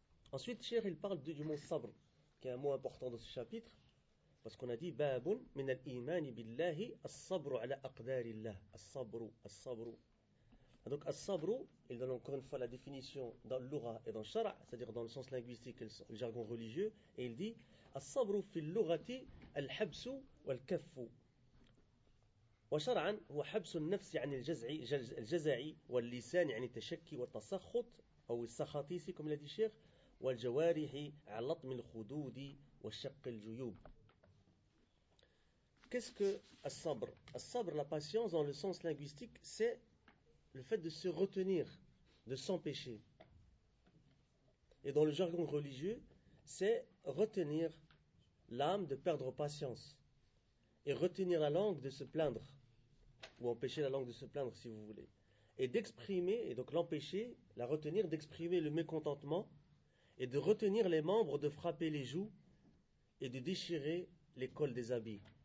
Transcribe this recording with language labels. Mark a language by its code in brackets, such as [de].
[fr] Ensuite, Cheikh, il parle du mot sabr, qui est un mot important dans ce chapitre, parce qu'on a dit « [ar] Babun min al-imani billahi as-sabru ala aqdarillah [fr] » As-sabru, as-sabru. Donc as-sabru, il donne encore une fois la définition dans l'ura et dans le shara', c'est-à-dire dans le sens linguistique et le jargon religieux, et il dit « [ar] As-sabru fil lughati al-habsu wal-kaffu » وشرعا هو حبس النفس عن الجزع واللسان عن التشكي والتسخط أو السخطيسي كما لدي الشيخ والجوارح على لطم الخدود وشق الجيوب. [fr] Qu'est-ce que الصبر؟ الصبر, la patience dans le sens linguistique, c'est le fait de se retenir, de s'empêcher. Et dans le jargon religieux, c'est retenir l'âme de perdre patience et retenir la langue de se plaindre, ou empêcher la langue de se plaindre si vous voulez, et d'exprimer, et donc l'empêcher, la retenir, d'exprimer le mécontentement et de retenir les membres de frapper les joues et de déchirer les cols des habits.